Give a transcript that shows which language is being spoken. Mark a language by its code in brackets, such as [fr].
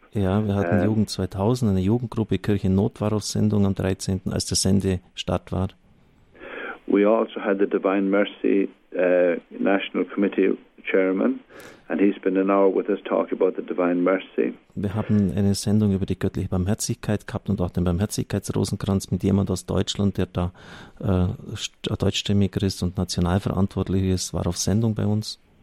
[de] Ja, wir hatten Jugend 2000, eine Jugendgruppe, Kirche in Not war auf Sendung am 13., als der Sendestart war. [en] We also had the Divine Mercy National Committee Chairman, and he's been an hour with us talking about the Divine Mercy. [de] Wir haben eine Sendung über die göttliche Barmherzigkeit gehabt und auch den Barmherzigkeitsrosenkranz mit jemand aus Deutschland, der da deutschstämmiger ist und nationalverantwortlich ist, war auf Sendung bei uns.